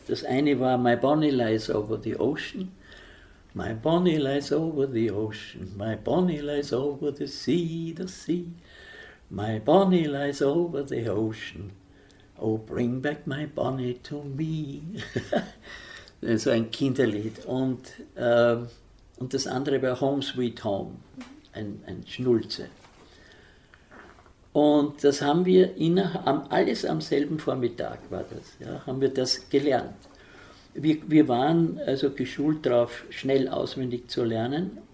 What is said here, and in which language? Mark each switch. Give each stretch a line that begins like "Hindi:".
German: Das eine war »My Bonnie Lies Over the Ocean«.
English: My bonnie lies over the ocean, my bonnie lies over the sea, my bonnie lies over the ocean, oh bring back my bonnie to me.
German: Das war ein Kinderlied. Und das andere war Home Sweet Home, ein Schnulze. Und das haben wir alles am selben Vormittag war das, ja, haben wir das gelernt. Wir waren also geschult darauf, schnell auswendig zu lernen.